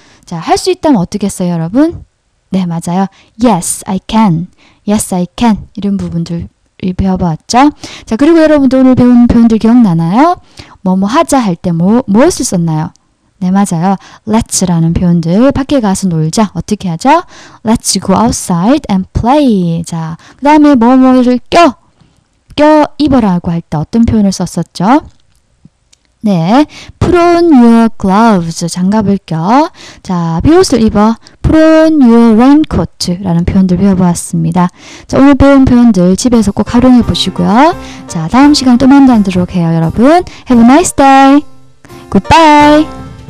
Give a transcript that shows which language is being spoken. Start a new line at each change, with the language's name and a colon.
Korean: 자, 할 수 있다면 어떻게 써요, 여러분? 네, 맞아요.
English: Yes, I can. Yes, I can.
Korean: 이런 부분들을 배워봤죠. 자, 그리고 여러분도 오늘 배운 표현들 기억나나요? 뭐뭐 하자 할 때 무엇을 썼나요? 네, 맞아요. Let's라는 표현들. 밖에 가서 놀자. 어떻게 하죠?
English: Let's go outside and play.
Korean: 자, 그 다음에 뭐뭐를 껴 입어라고 할 때 어떤 표현을 썼었죠?
English: 네, put on your gloves,
Korean: 장갑을 껴. 자, 비옷을 입어,
English: put on your raincoat
Korean: 라는 표현들 배워보았습니다. 자, 오늘 배운 표현들 집에서 꼭 활용해 보시고요. 자, 다음 시간 또 만나도록 해요, 여러분.
English: Have a nice day. Goodbye.